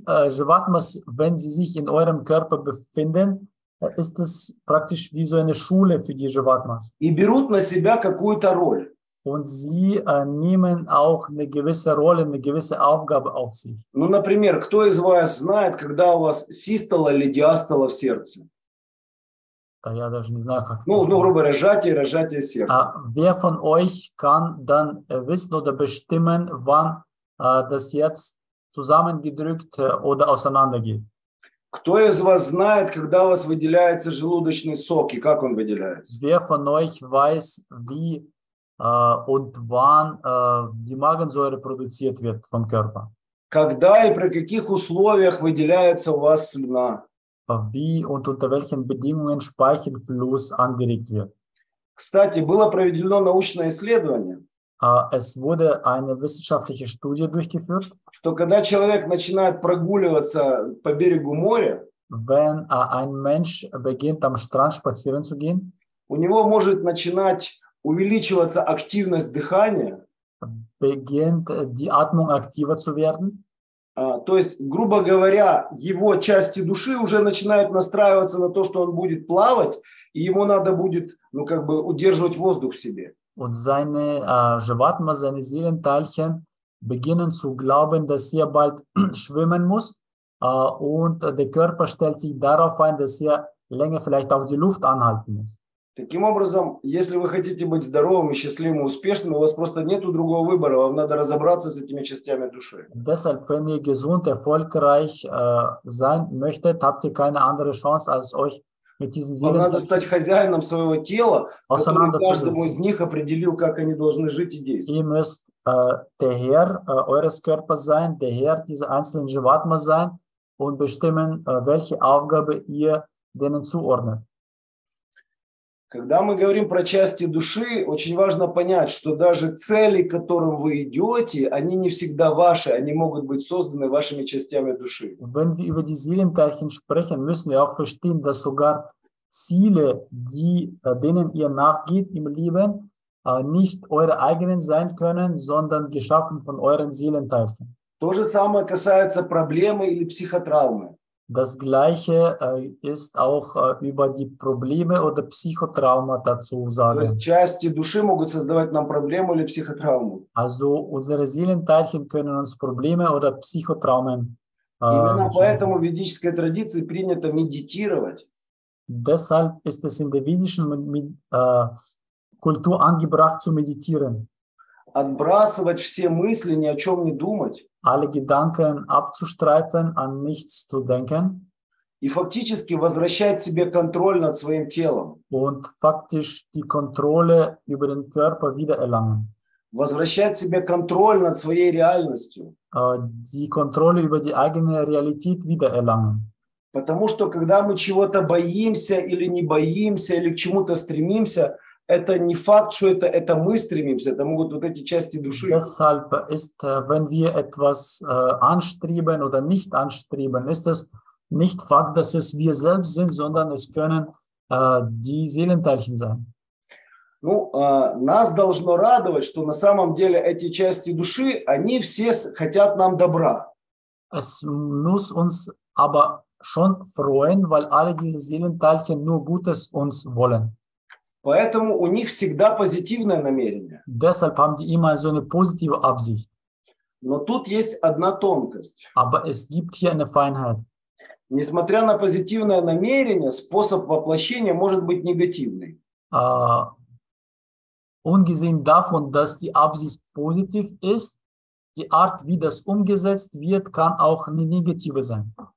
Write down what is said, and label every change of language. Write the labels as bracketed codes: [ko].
[de] Животмас, wenn sie sich in eurem Körper befinden, ist es praktisch wie so eine Schule für die Животмас. [ru] И берут на себя какую-то роль. [de] Und sie nehmen auch eine gewisse Rolle, eine gewisse Aufgabe auf sich. [ru] Ну, например, кто из вас знает, когда у вас систола или диастола в сердце? Да я даже не знаю, как. Ну, ну грубо говоря, сжатие, разжатие сердца. А [de] wer von euch kann dann wissen oder bestimmen, wann das Herz zusammengedrückt oder auseinandergeht? [ru] Кто из вас знает, когда у вас выделяется желудочный сок и как он выделяется? [de] Wer von euch weiß, wie und wann die Magensäure produziert wird vom Körper? [ru] Когда и при каких условиях выделяется у вас слюна? [de] Wie und unter welchen Bedingungen Speichelfluss angeregt wird. [ru] Кстати, было проведено научное исследование. [de] Es wurde eine wissenschaftliche Studie durchgeführt. [ru] Что когда человек начинает прогуливаться по берегу моря, [de] wenn ein Mensch beginnt am Strand spazieren zu gehen, [ru] у него может начинать увеличиваться активность дыхания, [de] beginnt die Atmung aktiver zu werden. [ru] То есть, грубо говоря, его части души уже начинают настраиваться на то, что он будет плавать, и ему надо будет, ну, как бы, удерживать воздух в себе. [de] Und seine Животмас, seine Seelenteilchen beginnen zu glauben, dass er bald schwimmen muss, und der Körper stellt sich darauf ein, dass er länger vielleicht auch die Luft anhalten muss. [ru] Таким образом, если вы хотите быть здоровым и счастливым и успешным, у вас просто нет другого выбора, вам надо разобраться с этими частями души. [de] Deshalb, wenn ihr gesund, erfolgreich sein möchtet, habt ihr keine andere Chance, als euch mit diesen Seelen... [ru] Вам надо стать хозяином своего тела, который каждому из них определил, как они должны жить и действовать. [de] Ihr müsst der Herr eures Körpers sein, der Herr dieser einzelnen Jivatma sein und bestimmen, welche Aufgabe ihr denen zuordnet. [ru] Когда мы говорим про части души, очень важно понять, что даже цели, к которым вы идете, они не всегда ваши, они могут быть созданы вашими частями души. [de] Wenn wir über die Seelenteilchen sprechen, müssen wir auch verstehen, dass sogar Ziele, die, denen ihr nachgeht im Leben, nicht eure eigenen sein können, sondern geschaffen von euren Seelenteilchen. [ru] То же самое касается проблемы или психотравмы. [de] Das Gleiche ist auch über die Probleme oder Psychotrauma dazu sagen. [ru] То есть части души могут создавать нам проблему или психотравму. [de] Also unsere Seelenteilchen können uns Probleme oder Psychotraumen. [ru] Именно поэтому в ведической традиции принято медитировать. [de] Deshalb ist es in der ведischen Kultur angebracht zu meditieren. [ru] Отбрасывать все мысли, ни о чем не думать. [de] Alle Gedanken abzustreifen, an nichts zu denken. [ru] И фактически возвращать себе контроль над своим телом. [de] Und faktisch die Kontrolle über den Körper wiedererlangen. [ru] Возвращать себе контроль над своей реальностью. [de] Die Kontrolle über die eigene Realität wiedererlangen. [ru] Потому что когда мы чего-то боимся или не боимся, или к чему-то стремимся, это не факт, что это мы стремимся, это могут вот эти части души. [de] Deshalb ist, wenn wir etwas anstreben oder nicht anstreben, ist es nicht Fakt, dass es wir selbst sind, sondern es können die Seelenteilchen sein. [ru] Ну, нас должно радовать, что на самом деле эти части души, они все хотят нам добра. [de] Es muss uns aber schon freuen, weil alle diese Seelenteilchen nur Gutes uns wollen. [ru] Поэтому у них всегда позитивное намерение. [de] Deshalb haben die immer so eine positive Absicht. [ru] Но тут есть одна тонкость. [de] Aber es gibt hier eine Feinheit. [ru] Несмотря на позитивное намерение, способ воплощения может быть негативный. [de] Ungesehen davon, dass die Absicht positiv ist, die Art, wie das umgesetzt wird, kann auch eine negative sein.